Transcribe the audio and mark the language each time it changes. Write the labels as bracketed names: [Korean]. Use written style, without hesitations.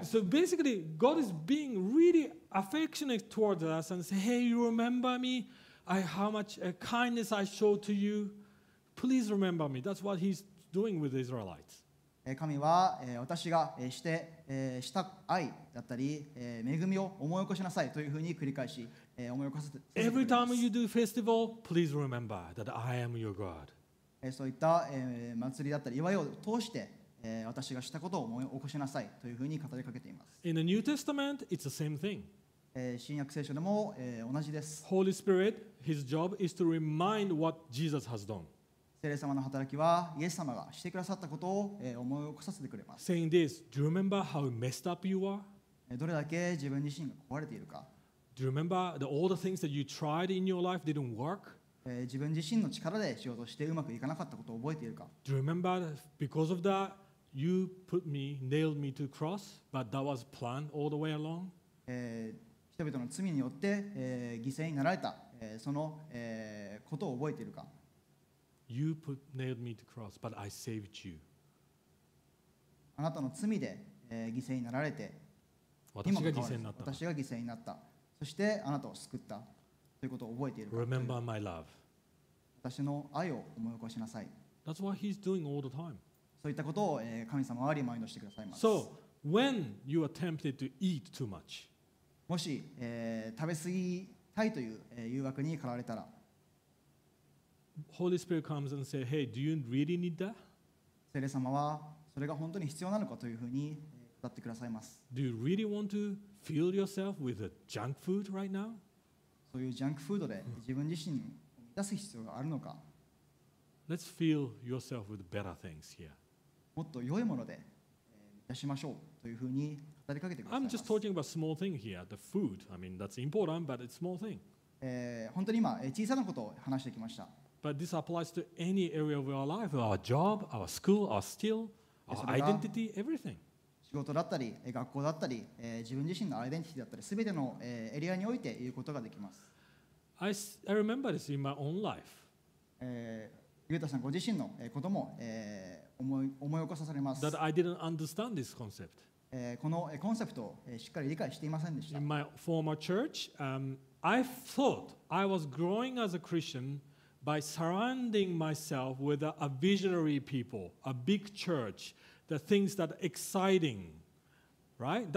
[English] So basically, God is being really affectionate towards us and say, "Hey, you remember me? I how much kindness I showed to you? Please remember me." That's what He's doing with the Israelites. [Japanese] 神は私がしてした愛だったり恵みを思い起こしなさいというふうに繰り返し思い起こす。 [English] Every time you do festival, please remember that I am your God. [Japanese] そういった祭りだったり祝いを通して。私がしたことを思い起こしなさいというふうに語りかけています。 [English] In the New Testament, it's the same thing. [Japanese] 新約聖書でも同じです。 [English] Holy Spirit, His job is to remind what Jesus has done. [Japanese] 聖霊様の働きは、イエス様がしてくださったことを思い起こさせてくれます。 [English] Saying this, do you remember how messed up you are? [Japanese] どれだけ自分自身が壊れているか。 [English] Do you remember that all the things that you tried in your life didn't work? [Japanese] 自分自身の力で仕事してうまくいかなかったことを覚えているか。 [English] Do you remember that because of that? You put me, nailed me to cross, but that was planned all the way along. [Japanese] 人々の罪によって犠牲になられたそのことを覚えているか。 [English] You put nailed me to cross, but I saved you. [Japanese] あなたの罪で犠牲になられて、私が犠牲になった。そしてあなたを救ったということを覚えているか。 [English] Remember my love. [Japanese] 私の愛を思い起こしなさい。 [English] That's what he's doing all the time. [Japanese] そういったことを神様はリマインドしてくださいます。 [English] So, when you are tempted to eat too much, [Japanese] もし、食べ過ぎたいという、誘惑に駆られたら、 [English] Holy Spirit comes and says, "Hey, do you really need that?" [Japanese] 聖霊様はそれが本当に必要なのかというふうに語ってくださいます。 [English] Do you really want to fill yourself with a junk food right now? [Japanese] そういうジャンクフードで自分自身を満たす必要があるのか。 [English] Let's fill yourself with better things here. [Japanese] もっと良いもので満たしましょうというふうに語りかけてください。 [English] I'm just talking about small thing here. The food. I mean, that's important, but it's small thing. [Japanese] 本当に今小さなことを話してきました。 [English] But this applies to any area of our life: our job, our school, our skill, our identity, everything. [Japanese] 仕事だったり学校だったり自分自身のアイデンティティだったり、すべてのエリアにおいて言うことができます。 [English] I remember this in my own life. [Japanese] ユータさんご自身のことも思い起こさされます。 [English] That I didn't understand this concept. [Japanese] このコンセプトをしっかり理解していませんでした。 [English] In my former church, I thought I was growing as a Christian by surrounding myself with a visionary people, a big church, the things that are exciting, right?